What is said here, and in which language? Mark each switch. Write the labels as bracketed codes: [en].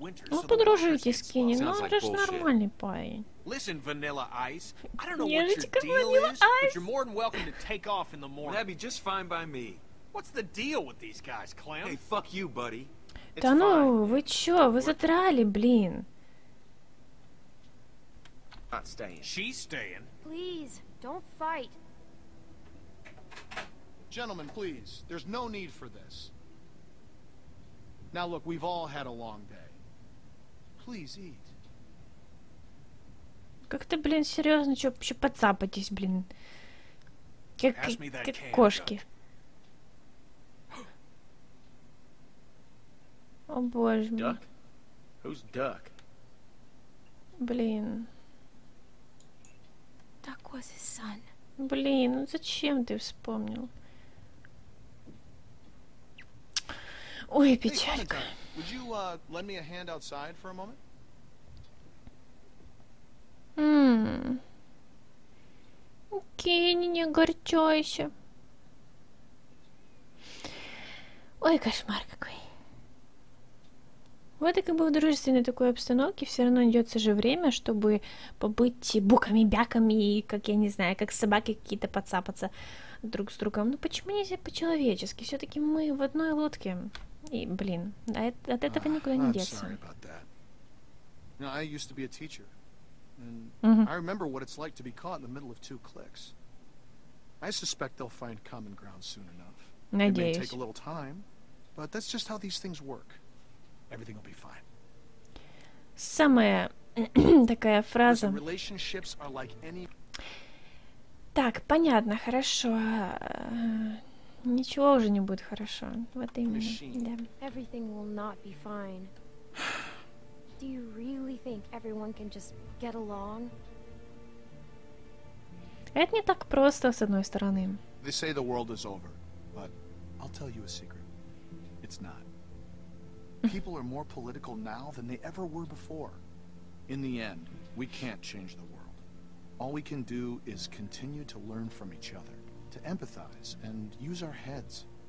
[ru] Ну, подружите с Кенни, ну, он же нормальный парень. [en] Listen, Vanilla Ice. I don't know what your deal is, but you're more than welcome to take off in the morning. That'd be just fine by me. What's the deal with these guys, Clem? Hey, fuck you, buddy. [ru] Да ну, вы чё, вы затрали, блин. [en] Not staying. She's staying. Please, don't fight. Gentlemen, please, there's no need for this. Now look, we've all had a long day. Please eat. [ru] Как-то, блин, серьёзно, чё, ещё подцапайтесь, блин. Как кошки. О боже мой. [en] Duck? Who's Duck? [ru] Блин. [en] Duck was his son. [ru] Блин, ну зачем ты вспомнил? Ой, печалька. [en] Hey, Hanukkah, would you lend me a hand outside for a moment? [ru] Кенни, не огорчайся. Ой, кошмар какой. Вот и как бы в дружественной такой обстановке все равно найдется же время, чтобы побыть буками-бяками и, как я не знаю, как собаки какие-то подцапаться друг с другом. Ну почему нельзя по-человечески? Все-таки мы в одной лодке. И, блин, от этого никуда не деться. [en] I'm sorry about that. You know, I used to be a teacher. And mm-hmm. I remember what it's like to be caught in the middle of two cliques. I suspect they'll find common ground soon enough. [ru] Надеюсь. [en] It may take a little time, but that's just how these things work. Everything will be fine. [ru] Самая такая фраза. [en] Relationships are like any... [ru] Так, понятно, хорошо. Ничего уже не будет хорошо. Вот именно. Да. [en] Everything will not be fine. Do you really think everyone can just get along? [ru] Это не так просто, с одной стороны. [en] They say the world is over, but I'll tell you a secret. It's not. People are more political now than they ever were before. In the end, we can't change the world. All we can do is continue to learn from each other, to empathize and use our heads.